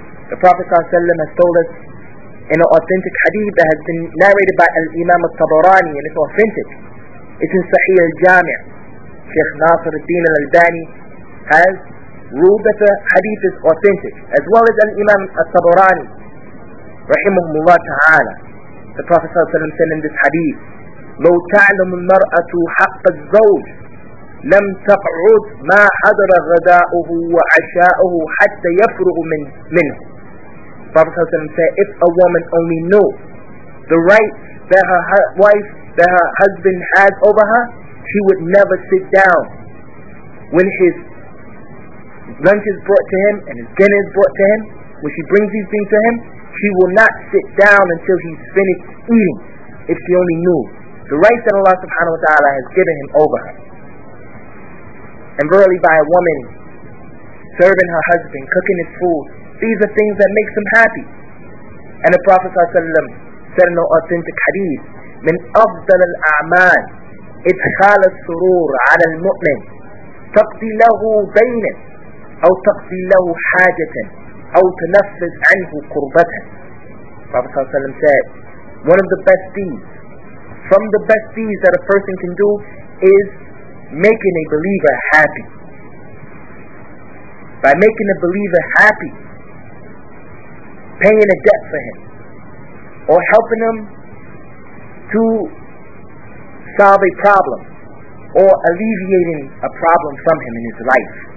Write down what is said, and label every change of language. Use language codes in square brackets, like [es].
[en] The Prophet ﷺ has told us in an authentic hadith that has been narrated by Al-Imam Al-Tabarani, and it's authentic. It's in Sahih Al-Jami'. Sheikh Nasir al-Din al-Albani has ruled that the hadith is authentic, as well as Al-Imam Al-Tabarani, rahimahumullah ta'ala. The Prophet ﷺ said in this hadith, [ar] لَوْ تَعْلَمُ الْمَرْأَةُ حَقَّ الزَّوْجِ لَمْ تَقْعُدْ مَا حَضَرَ غَدَاؤُهُ وَعَشَاؤُهُ حَتَّى يَفْرُغُ مِنْهُ. [en] Prophet ﷺ said, if a woman only knew the rights that her wife, that her husband has over her, she would never sit down when his lunch is brought to him and his dinner is brought to him. When she brings these things to him, she will not sit down until he's finished eating, if she only knew the rights that Allah subhanahu wa ta'ala has given him over her. And verily, by a woman serving her husband, cooking his food, these are things that makes him happy. And the Prophet sallallahu alaihi wasallam said in the authentic hadith, [ar] من أفضل الأعمال إدخال السرور على المؤمن تقضي له بينه أو تقضي له حاجة أو تنفذ عنه قربته. [en] Prophet sallallahu alaihi wasallam said, one of the best deeds, from the best deeds that a person can do, is making a believer happy. By making a believer happy, paying a debt for him, or helping him to solve a problem, or alleviating a problem from him in his life.